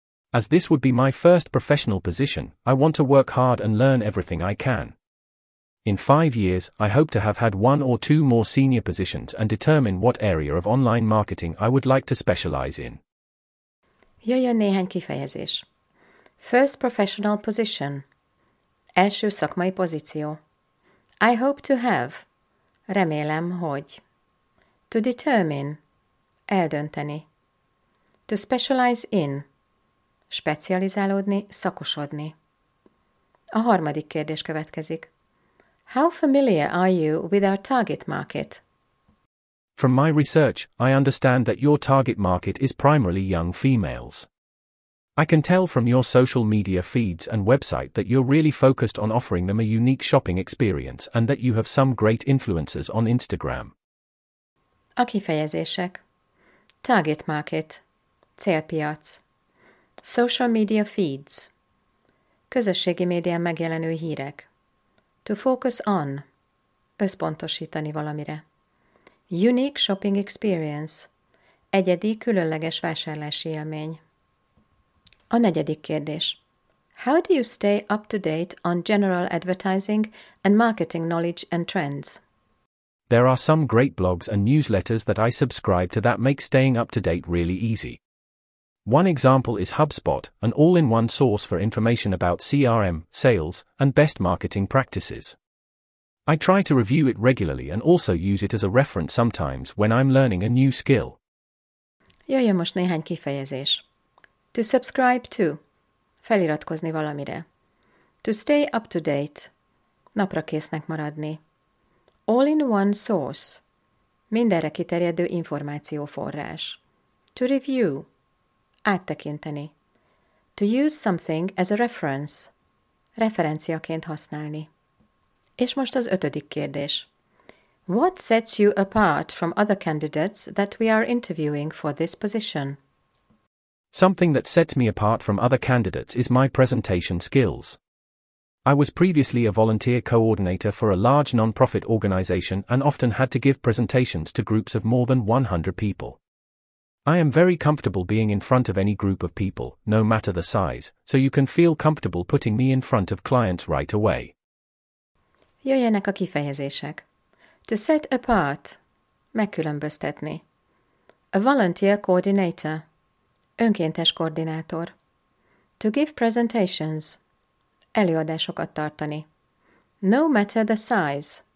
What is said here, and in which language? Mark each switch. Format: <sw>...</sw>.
<en>As this would be my first professional position, I want to work hard and learn everything I can. In 5 years, I hope to have had 1 or 2 more senior positions and determine what area of online marketing I would like to specialize in.</en> <hu>Jöjjön néhány kifejezés.</hu> <en>First professional position.</en> <hu>Első szakmai pozíció.</hu> <en>I hope to have.</en> <hu>Remélem, hogy.</hu> <en>To determine.</en> <hu>Eldönteni.</hu> <en>To specialize in.</en> <hu>Specializálódni, szakosodni. A harmadik kérdés következik.</hu> <en>How familiar are you with our target market? From my research, I understand that your target market is primarily young females. I can tell from your social media feeds and website that you're really focused on offering them a unique shopping experience and that you have some great influencers on Instagram.</en> <hu>A kifejezések.</hu> <en>Target market.</en> <hu>Célpiac.</hu> <en>Social media feeds.</en> <hu>Közösségi médián megjelenő hírek.</hu> <en>To focus on.</en> <hu>Összpontosítani valamire.</hu> <en>Unique shopping experience.</en> <hu>Egyedi, különleges vásárlási élmény. A negyedik kérdés.</hu> <en>How do you stay up to date on general advertising and marketing knowledge and trends? There are some great blogs and newsletters that I subscribe to that make staying up to date really easy. One example is HubSpot, an all-in-one source for information about CRM, sales, and best marketing practices. I try to review it regularly and also use it as a reference sometimes when I'm learning a new skill.</en> <hu>Jöjjön most néhány kifejezés.</hu> <en>To subscribe to.</en> <hu>Feliratkozni valamire.</hu> <en>To stay up to date.</en> <hu>Napra késznek maradni.</hu> <en>All-in-one source.</en> <hu>Mindenre kiterjedő információforrás.</hu> <en>To review.</en> <hu>Áttekinteni.</hu> <en>To use something as a reference.</en> <hu>Referenciaként használni. És most az ötödik kérdés.</hu> <en>What sets you apart from other candidates that we are interviewing for this position? Something that sets me apart from other candidates is my presentation skills. I was previously a volunteer coordinator for a large non-profit organization and often had to give presentations to groups of more than 100 people. I am very comfortable being in front of any group of people, no matter the size, so you can feel comfortable putting me in front of clients right away.</en> <hu>Jöjjenek a kifejezések.</hu> <en>To set apart.</en> <hu>Megkülönböztetni.</hu> <en>A volunteer coordinator.</en> <hu>Önkéntes koordinátor.</hu> <en>To give presentations.</en> <hu>Előadásokat tartani.</hu> <en>No matter the size.</en>